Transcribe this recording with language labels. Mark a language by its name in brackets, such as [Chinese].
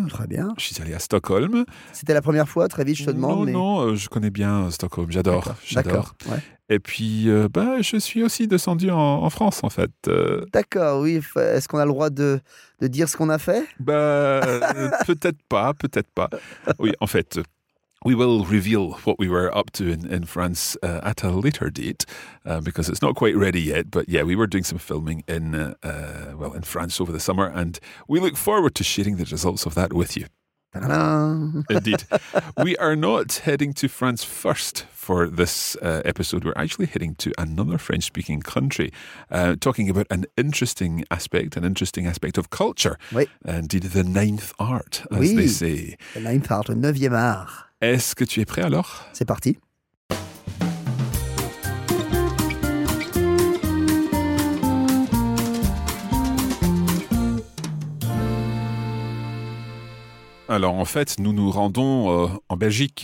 [French] Très bien. Je suis allé à Stockholm. C'était la première fois, très vite, je te demande. Je connais bien Stockholm, j'adore. D'accord. Ouais. Et puis, je suis aussi descendu en France, en fait. D'accord, oui. Est-ce qu'on a le droit de dire ce qu'on a fait ? Peut-être pas. Oui, en fait, [English] we will reveal what we were up to in France at a later date, because it's not quite ready yet. But yeah, we were doing some filming in France over the summer, and we look forward to sharing the results of that with you. Ta-da! Indeed. We are not heading to France first for this episode. We're actually heading to another French-speaking country, talking about an interesting aspect of culture. [French] Oui. [English] Indeed, the ninth art, as [French] oui. [English] they say. The ninth art, [French] le neuvième art. Est-ce que tu es prêt alors ? C'est parti. Alors en fait, nous nous rendons en Belgique.